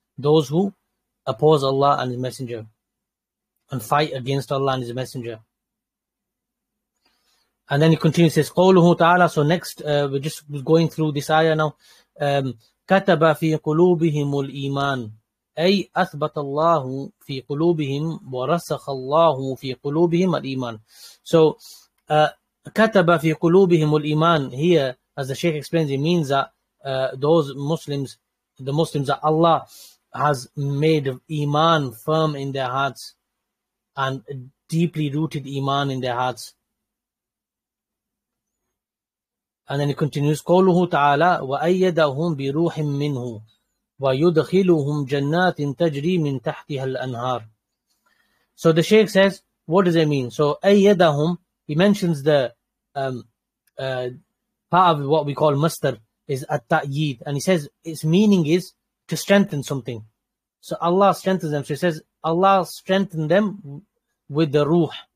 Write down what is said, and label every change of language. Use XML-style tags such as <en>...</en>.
<en>Those who oppose Allah and His Messenger and fight against Allah and His Messenger. And then he continues, says,</en> <ar>قوله تعالى.</ar> <en>So next, we're just going through this ayah now.</en> <ar>كَتَبَ فِي قُلُوبِهِمُ الْإِيمَانِ أي أثبت الله في قلوبهم ورسخ الله في قلوبهم الإيمان.</ar> <en>So</en> <ar>كتب في قلوبهم الإيمان.</ar> <en>Here, as the Sheikh explains, it means that those Muslims, the Muslims, that Allah has made iman firm in their hearts and deeply rooted iman in their hearts. And then he continues,</en> <ar>قوله تعالى وَأَيَّدَهُمْ بِرُوحٍ مِّنْهُ وَيُدْخِلُهُمْ جَنَّاتٍ تَجْرِي مِنْ تَحْتِهَا الْأَنْهَارِ.</ar> <en>So the Shaykh says, what does it mean? So أَيَّدَهُمْ, he mentions the part of what we call mustar is at-ta'yid, and he says its meaning is to strengthen something. So Allah strengthens them. So he says Allah strengthened them with the ruh.</en>